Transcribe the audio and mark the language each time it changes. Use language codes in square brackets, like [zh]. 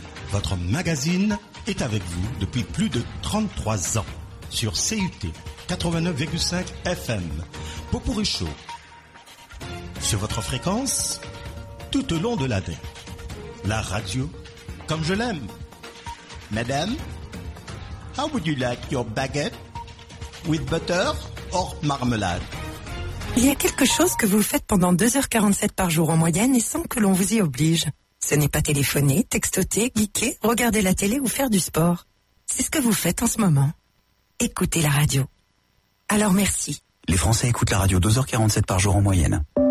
[fr] Votre magazine est avec vous depuis plus de 33 ans. Sur CUT 89,5 FM, Popourri Show, sur votre fréquence, tout au long de l'année, la radio, comme je l'aime. [en] Madame, how would you like your baguette, with butter or marmelade? [fr] Il y a quelque chose que vous faites pendant 2h47 par jour en moyenne et sans que l'on vous y oblige. Ce n'est pas téléphoner, textoter, geeker, regarder la télé ou faire du sport. C'est ce que vous faites en ce moment. Écoutez la radio. Alors merci. Les Français écoutent la radio 2h47 par jour en moyenne.